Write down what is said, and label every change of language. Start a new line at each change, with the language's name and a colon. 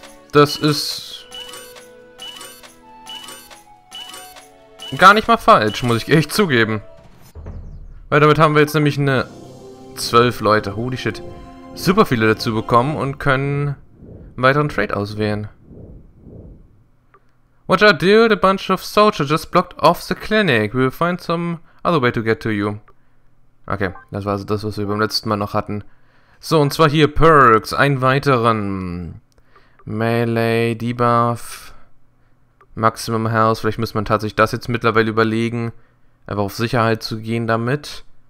German: Das ist gar nicht mal falsch, muss ich echt zugeben. Weil damit haben wir jetzt nämlich eine 12 Leute,
English: holy shit,
German: super viele dazu bekommen und können einen weiteren Trade auswählen.
English: Watch out, dude, a bunch of soldiers just blocked off the clinic. We'll find some other way to get to you.
German: Okay, das war also das, was wir beim letzten Mal noch hatten. So, und zwar hier Perks, einen weiteren. Melee, Debuff, Maximum Health. Vielleicht müsste man tatsächlich das jetzt mittlerweile überlegen, einfach auf Sicherheit zu gehen damit.